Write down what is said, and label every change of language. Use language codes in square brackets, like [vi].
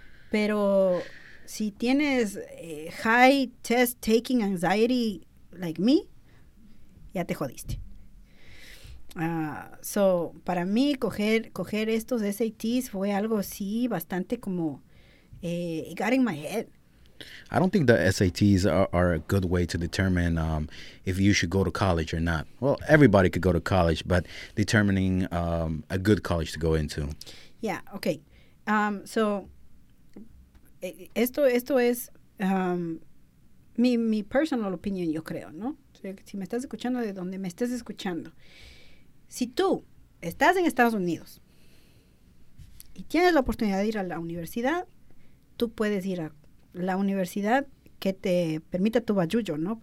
[es] Pero si tienes [en] high test taking anxiety like me, [es] ya te jodiste. So, para mí, coger estos SATs fue algo así bastante como [en] it got in my head. I don't think the SATs are a good way to determine if you should go to college or not. Well, everybody could go to college, but determining a good college to go into. Yeah, okay. [es] So, esto es mi [en] personal opinion, [es] yo creo, ¿no? Si me estás escuchando, de donde me estés escuchando. Si tú estás en Estados Unidos y tienes la oportunidad de ir a la universidad, tú puedes ir a la universidad que te permita tu bayuyo, ¿no?